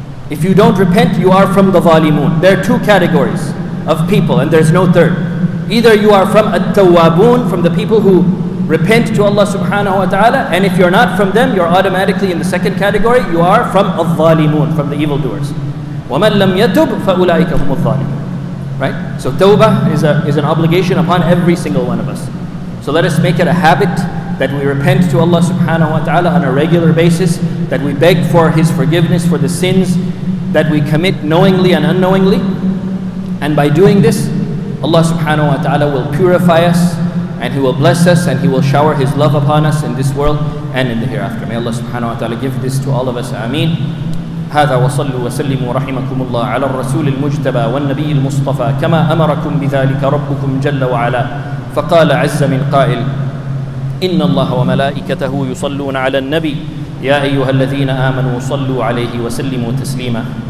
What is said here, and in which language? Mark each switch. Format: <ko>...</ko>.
<en>If you don't repent, you are from the zalimun. There are two categories of people and there's no third. Either you are from at-tawwabun, from the people who repent to Allah subhanahu wa ta'ala, and if you're not from them, you're automatically in the second category, you are from al-zalimun, from the evildoers.</en> <ar>وَمَنْ لَمْ يَتُبْ فَأُولَٰئِكَ هُمُ الظَّالِمُونَ</ar> <en>Right? So tawbah is an obligation upon every single one of us. So let us make it a habit that we repent to Allah subhanahu wa ta'ala on a regular basis, that we beg for His forgiveness for the sins that we commit knowingly and unknowingly. And by doing this, Allah subhanahu wa ta'ala will purify us, and He will bless us, and He will shower His love upon us in this world and in the hereafter. May Allah subhanahu wa ta'ala give this to all of us. Ameen.</en> <ar>هذا وصلوا وسلموا رحمكم الله على الرسول المجتبى والنبي المصطفى كما أمركم بذلك ربكم جل وعلا فقال عز من قائل إن الله وملائكته يصلون على النبي يا أيها الذين آمنوا صلوا عليه وسلموا تسليما</ar>